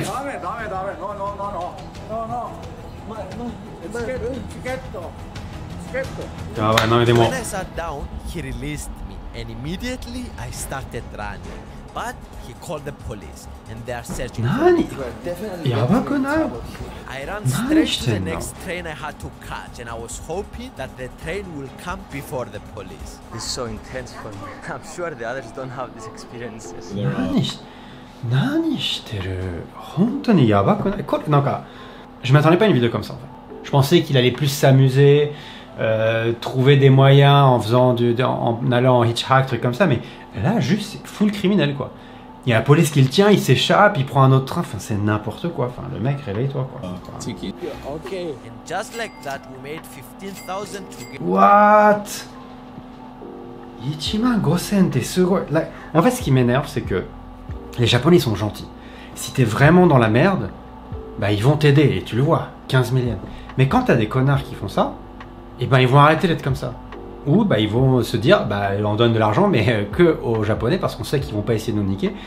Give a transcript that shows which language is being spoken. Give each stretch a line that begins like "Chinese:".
Japanese: ダメダメダメ、ノーノーノーノーノーノー、チケット、チケット、やばい、ダメ。でも
English: When I sat down, he released me and immediately I started running. But he called the police and they are searching for me.
Japanese: やばくない？
English: I ran straight to the next train I had to catch and I was hoping that the train will come before the police. This is so intense for me. I'm sure the others don't have these experiences.
Japanese: 何してる？本当にやばくない？これなんか、
French: je m'attendais pas à une vidéo comme ça. Je pensais qu'il allait plus s'amuser, trouver des moyens en faisant du, en allant en hitchhack, truc comme ça, mais là, juste, c'est full criminel, quoi. Il y a la police qui le tient, il s'échappe, il prend un autre train, enfin, c'est n'importe quoi. Enfin, le mec, réveille-toi, quoi. Tiki. Ok.
English: And just like that, we made 15,000 to get... What?
French: 15,000, t'es sûr? Là, en fait, ce qui m'énerve, c'est que les Japonais sont gentils. Si t'es vraiment dans la merde, bah, ils vont t'aider, et tu le vois, 15 000 yens. Mais quand t'as des connards qui font ça, eh ben, ils vont arrêter d'être comme ça. Ou bah, ils vont se dire, bah, on donne de l'argent, mais que aux Japonais, parce qu'on sait qu'ils vont pas essayer de nous niquer.